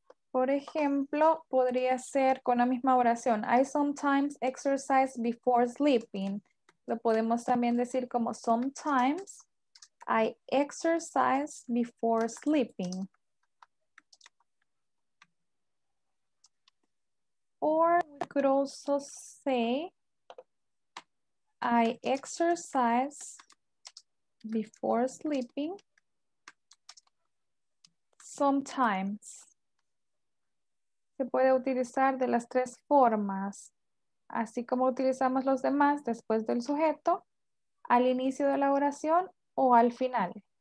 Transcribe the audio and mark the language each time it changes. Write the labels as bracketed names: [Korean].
[Spanish] Por ejemplo, podría ser con la misma oración. [English] I sometimes exercise before sleeping. [Spanish] Lo podemos también decir como [English] sometimes I exercise before sleeping. Or we could also say I exercise before sleeping sometimes. [Spanish] Se puede utilizar de las tres formas. Así como utilizamos los demás después del sujeto, al inicio de la oración o al final.